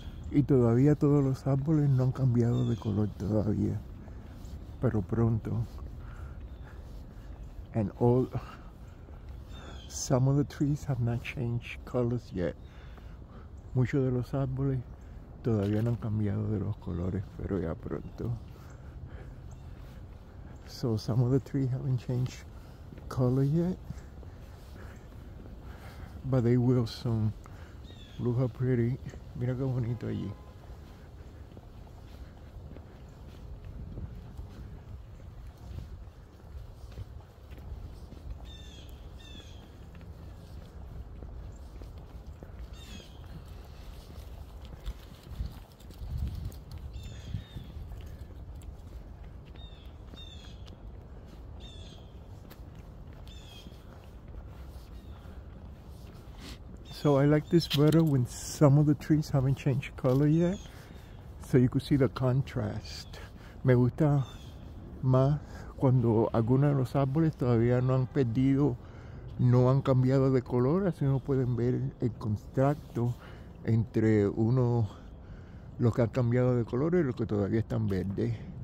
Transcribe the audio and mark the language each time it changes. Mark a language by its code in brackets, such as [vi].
[es] Y todavía todos los árboles no han cambiado de color todavía, pero pronto. [en] And all, some of the trees have not changed colors yet. [es] Muchos de los árboles todavía no han cambiado de los colores, pero ya pronto. [en] So some of the trees haven't changed color yet, but they will soon. Look how pretty. [es] Mira qué bonito allí. [en] So I like this better when some of the trees haven't changed color yet. So you can see the contrast. [es] Me gusta más cuando algunos de los árboles todavía no han perdido, no han cambiado de color. Así no pueden ver el contraste entre uno, los que han cambiado de color y los que todavía están verdes.